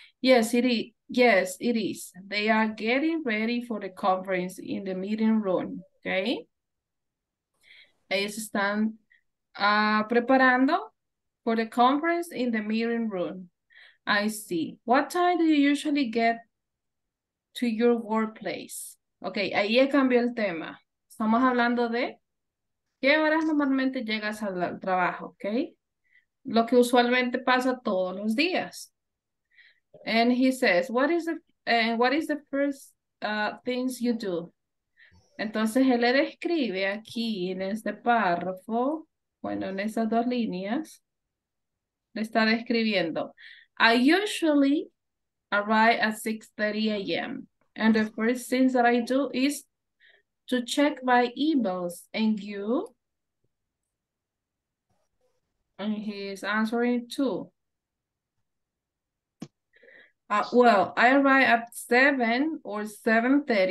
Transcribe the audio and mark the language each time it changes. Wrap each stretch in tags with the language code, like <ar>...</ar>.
<en>Yes, it is. They are getting ready for the conference in the meeting room, okay?</en> <es>Ellos están preparando</es> <en>for the conference in the meeting room. I see. What time do you usually get to your workplace?</en> <es>Okay, ahí ya cambió el tema. Estamos hablando de qué horas normalmente llegas al trabajo, okay? Lo que usualmente pasa todos los días.</es> <en>And he says, what is the first things you do?</en> <es>Entonces él le describe aquí en este párrafo, bueno, en esas dos líneas, le está describiendo.</es> <en>I usually arrive at 6:30 a.m. And the first things that I do is to check my emails. And you? And he is answering too. Well, I arrive at 7 or 7:30.</en>